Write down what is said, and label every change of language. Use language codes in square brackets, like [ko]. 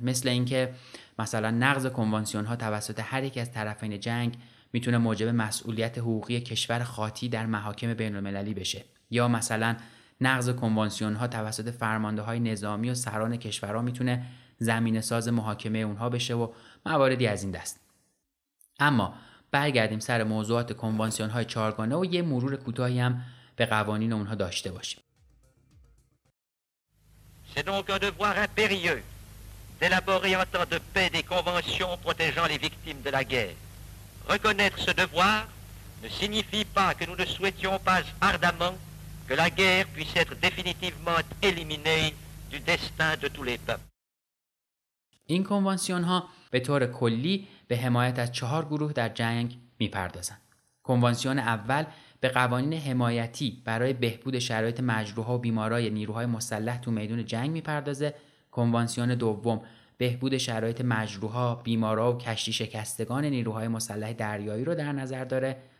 [fa] مثل اینکه مثلا نقض کنوانسیون ها توسط هر یک از طرفین جنگ میتونه موجب مسئولیت حقوقی کشور خاطی در محاکم بین المللی بشه، یا مثلا نقض کنوانسیون ها توسط فرمانده های نظامی و سران کشورها میتونه زمینه ساز محاکمه اونها بشه و مواردی از این دست. اما برگردیم سر موضوعات کنوانسیون های چهارگانه و یه مرور کوتاهی هم به قوانین اونها داشته باشیم. [fr] C'est donc un devoir impérieux d'élaborer en temps de paix des conventions protégeant les victimes de la guerre. Reconnaître ce devoir ne signifie pas que nous ne souhaitions pas ardemment que la guerre puisse être définitivement éliminée du destin de tous les peuples. [fa] این کنوانسیون ها به طور کلی به حمایت از 4 گروه در جنگ می‌پردازند. کنوانسیون اول به قوانین حمایتی برای بهبود شرایط مجروح و بیمارای نیروهای مسلح تو میدون جنگ میپردازه. کنوانسیون دوم بهبود شرایط مجروح و بیمارا و کشتی شکستگان نیروهای مسلح دریایی رو در نظر داره.